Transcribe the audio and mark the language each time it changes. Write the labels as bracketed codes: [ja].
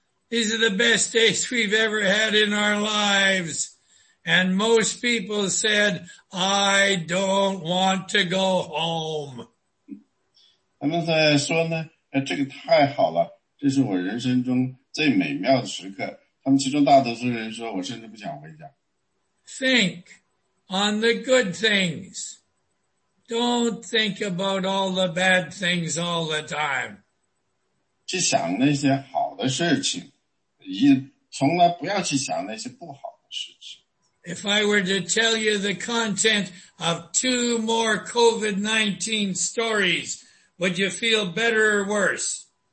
[en] These are the best days we've ever had in our lives. And most people said, I don't want to go home. [zh] 他们在说呢，这个太好了，这是我人生中最美妙的时刻。他们其中大多数人说，我甚至不想回家。 [en] Think on the good things. Don't think about all the bad things all the time. [zh] 去想那些好的事情，从来不要去想那些不好的事情。 [en] If I were to tell you the content of two more COVID-19 stories, would you feel better or worse?